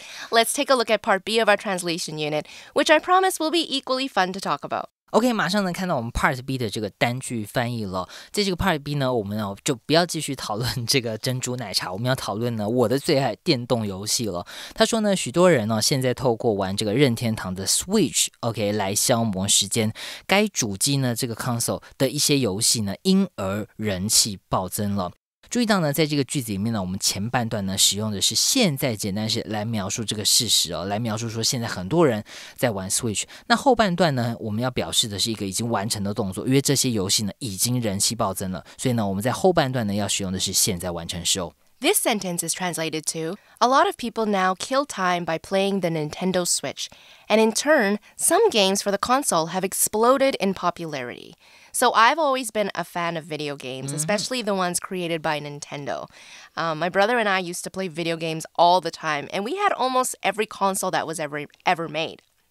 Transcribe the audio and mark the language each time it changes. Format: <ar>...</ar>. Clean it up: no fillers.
<en>Let's take a look at Part B of our translation unit, which I promise will be equally fun to talk about.</en> <zh>OK, 马上能看到我们 Part B 的这个单句翻译了。在这个 Part B 呢，我们就不要继续讨论这个珍珠奶茶，我们要讨论呢我的最爱电动游戏了。他说呢，许多人呢现在透过玩这个任天堂的 Switch, OK, 来消磨时间。该主机呢这个 console 的一些游戏呢因而人气暴增了。注意到呢，在这个句子里面呢，我们前半段呢使用的是现在简单式来描述这个事实哦，来描述说现在很多人在玩 Switch。那后半段呢，我们要表示的是一个已经完成的动作，因为这些游戏呢已经人气暴增了，所以呢，我们在后半段呢要使用的是现在完成式哦。</zh> <en>This sentence is translated to, a lot of people now kill time by playing the Nintendo Switch, and in turn, some games for the console have exploded in popularity. So I've always been a fan of video games, especially the ones created by Nintendo. My brother and I used to play video games all the time, and we had almost every console that was ever made.</en>